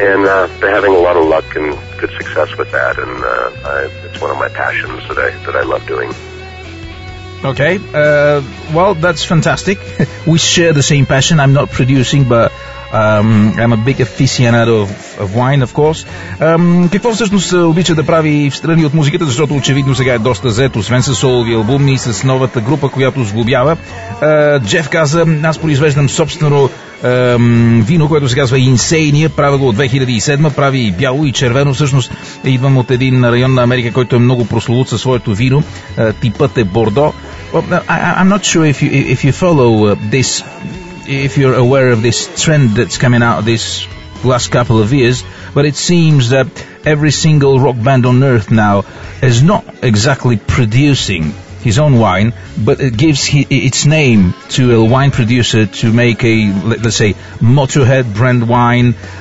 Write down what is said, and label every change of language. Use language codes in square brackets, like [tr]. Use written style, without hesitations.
[en] And they're having a lot of luck and good success with that, and it's one of my passions that I love doing. Okay, well, that's fantastic. We share the same passion. I'm not producing, but I'm a big aficionado of wine, of course. [bg] Какво всъщност обича да прави в страни от музиката, защото очевидно сега е доста зет, освен с солови албуми, с новата група, която сглобява. Джеф каза, аз произвеждам собствено вино, което се казва Insania, правя го от 2007, прави и бяло и червено. Всъщност идвам от един район на Америка, който е много прословут със своето вино. Типът е Бордо. [en] I'm not sure if you follow this, if you're aware of this trend that's coming out this last couple of years, but it seems that every single rock band on earth now is not exactly producing his own wine, but it gives its name to a wine producer to make a, let's say, Motorhead brand wine.